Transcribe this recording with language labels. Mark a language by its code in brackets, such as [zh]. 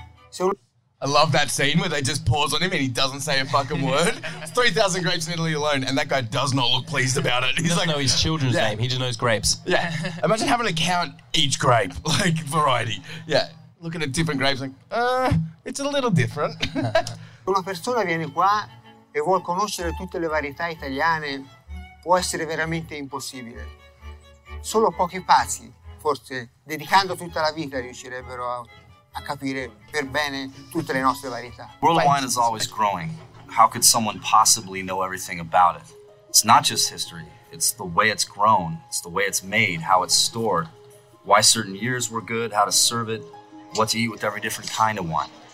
[en] So, I love that scene where they just pause on him and he doesn't say a fucking word. 3,000 grapes in Italy alone, and that guy does not look pleased about it. He doesn't know his children's name, he just knows grapes. Yeah. Imagine having to count each grape, like variety. Yeah. Looking at different grapes, like, it's a little different. [it] Una persona viene qua e vuol conoscere tutte le varietà italiane, può essere veramente impossibile. Solo pochi pazzi, forse, dedicando tutta la vita, riuscirebbero a capire per bene tutte le nostre varietà. [en] World wine is always growing. How could someone possibly know everything about it? It's not just history. It's the way it's grown. It's the way it's made, how it's stored, why certain years were good, how to serve it, what to eat with every different kind of wine.